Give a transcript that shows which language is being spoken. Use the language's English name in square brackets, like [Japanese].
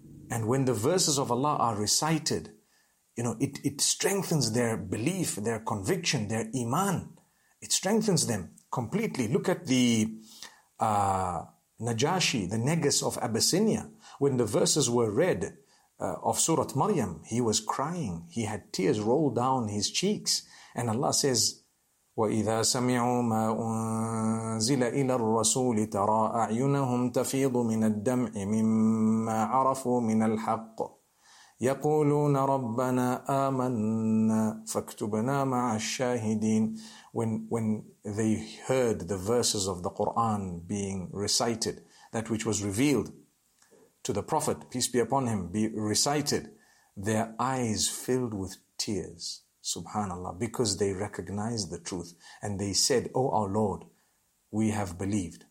[English] And when the verses of Allah are recited, you know, it strengthens their belief, their conviction, their iman. It strengthens them completely. Look at the Najashi, the Negus of Abyssinia. When the verses were read of Surah Maryam, he was crying. He had tears roll down his cheeks. And Allah says, [Arabic] وَإِذَا سَمِعُوا مَا أُنزِلَ إِلَى الرَّسُولِ تَرَى أَعْيُنَهُمْ تَفِيضُ مِنَ الدَّمْعِ مِمَّا عَرَفُوا مِنَ الْحَقِّ يَقُولُونَ رَبَّنَا آمَنَّا فَاكْتُبْنَا مَعَ الشَّاهِدِينَ. [English] When they heard the verses of the Quran being recited, that which was revealed to the Prophet, peace be upon him, be recited, their eyes filled with tears. Subhanallah, because they recognized the truth and they said, oh our Lord, we have believed.